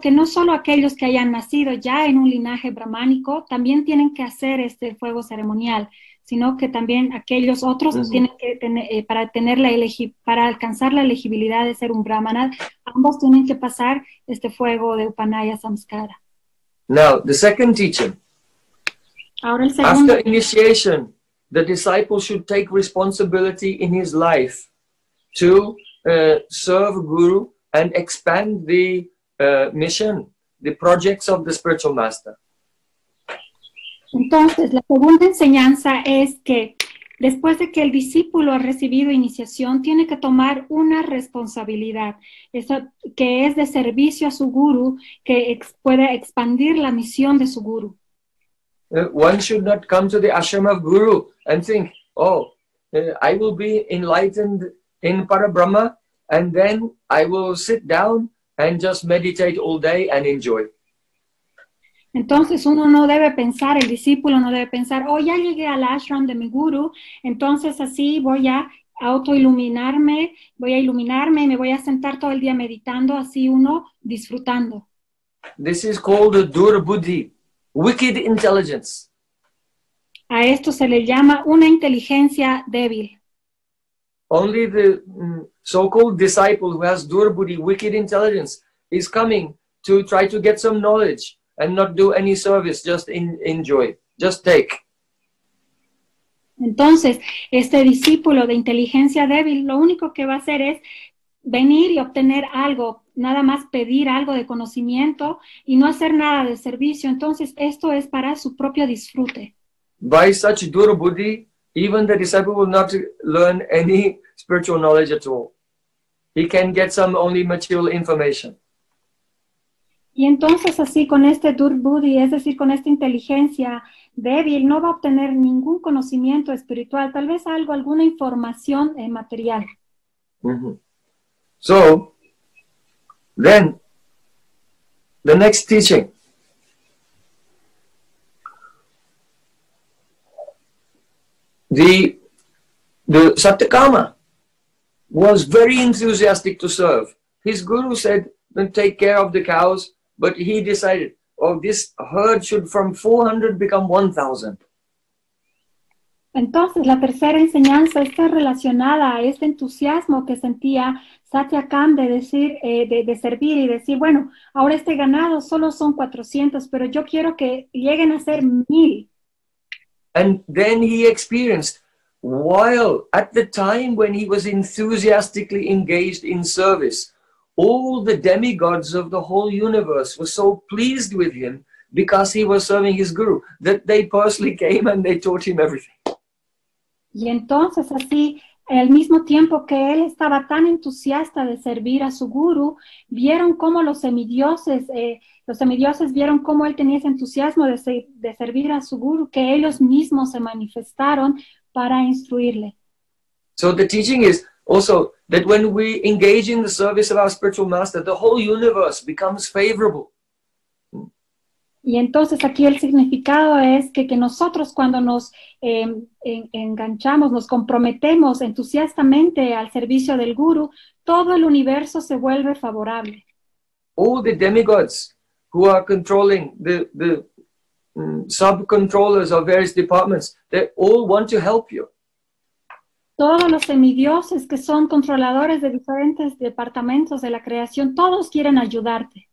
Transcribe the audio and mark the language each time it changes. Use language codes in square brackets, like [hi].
[es] Que no solo aquellos que hayan nacido ya en un linaje brahmánico también tienen que hacer este fuego ceremonial, sino que también aquellos otros tienen que tener, para alcanzar la elegibilidad de ser un brahmana, ambos tienen que pasar este fuego de Upanaya Samskara. [en] Now, the second teaching. [es] Ahora el segundo. [en] After initiation, the disciple should take responsibility in his life to serve Guru and expand the mission, the projects of the spiritual master. [es] Entonces, la segunda enseñanza es que después de que el discípulo ha recibido iniciación, tiene que tomar una responsabilidad, eso que es de servicio a su Guru, que pueda expandir la misión de su Guru. [en] One should not come to the ashram of Guru and think, oh, I will be enlightened in Parabrahma and then I will sit down and just meditate all day and enjoy. [es] Entonces uno no debe pensar, el discípulo no debe pensar, oh, ya llegué al ashram de mi Guru, entonces así voy a autoiluminarme, voy a iluminarme y me voy a sentar todo el día meditando, así uno disfrutando. [en] This is called Durbuddhi. Wicked intelligence. [es] A esto se le llama una inteligencia débil. [en] Only the so-called disciple who has durbuddhi, wicked intelligence, is coming to try to get some knowledge and not do any service, just enjoy, just take. [es] Entonces, este discípulo de inteligencia débil, lo único que va a hacer es venir y obtener algo, nada más pedir algo de conocimiento y no hacer nada de servicio. Entonces, esto es para su propio disfrute. [en] By such durabuddhi, even the disciple will not learn any spiritual knowledge at all. He can get some only material information. [es] Y entonces, así, con este durabuddhi, es decir, con esta inteligencia débil, no va a obtener ningún conocimiento espiritual, tal vez algo, alguna información material. [en] So, then, the next teaching. The Satyakama was very enthusiastic to serve. His guru said, then take care of the cows, but he decided, oh, this herd should from 400 become 1,000. [es] Entonces, la tercera enseñanza está relacionada a este entusiasmo que sentía Satyakam de decir, de servir y decir, bueno, ahora este ganado solo son 400, pero yo quiero que lleguen a ser 1,000. [en] And then he experienced, while at the time when he was enthusiastically engaged in service, all the demigods of the whole universe were so pleased with him because he was serving his guru that they personally came and they taught him everything. [es] Y entonces así, al mismo tiempo que él estaba tan entusiasta de servir a su guru, vieron cómo los semidioses vieron cómo él tenía ese entusiasmo de servir a su guru, que ellos mismos se manifestaron para instruirle. [en] So the teaching is also that when we engage in the service of our spiritual master, the whole universe becomes favorable. [es] Y entonces aquí el significado es que nosotros cuando nos enganchamos, nos comprometemos entusiastamente al servicio del Guru, todo el universo se vuelve favorable. [en] All the demigods who are controlling the sub-controllers of various departments, they all want to help you. [es] Todos los semidioses que son controladores de diferentes departamentos de la creación, todos quieren ayudarte.